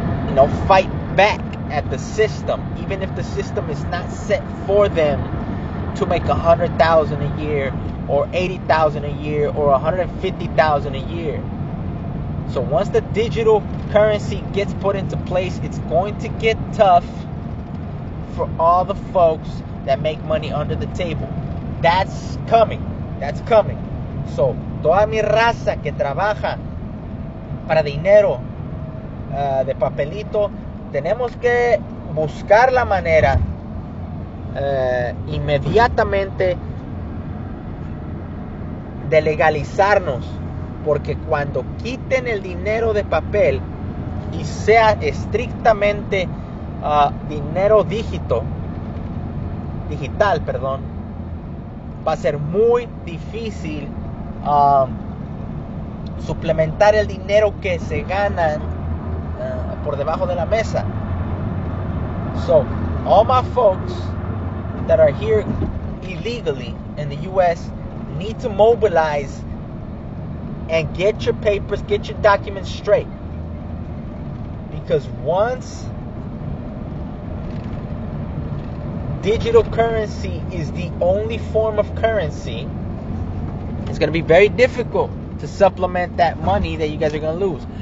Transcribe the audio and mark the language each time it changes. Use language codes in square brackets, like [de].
[en] you know, fight back at the system, even if the system is not set for them to make $100,000 a year or $80,000 a year or $150,000 a year. So once the digital currency gets put into place, it's going to get tough for all the folks that make money under the table. That's coming. That's coming. [es] So toda mi raza que trabaja para dinero de papelito, tenemos que buscar la manera inmediatamente de legalizarnos, porque cuando quiten el dinero de papel y sea estrictamente dinero digital, va a ser muy difícil suplementar el dinero que se ganan por debajo de la mesa. [en] So, all my folks that are here illegally in the U.S. need to mobilize and get your papers, get your documents straight. Because once digital currency is the only form of currency, it's going to be very difficult to supplement that money that you guys are going to lose.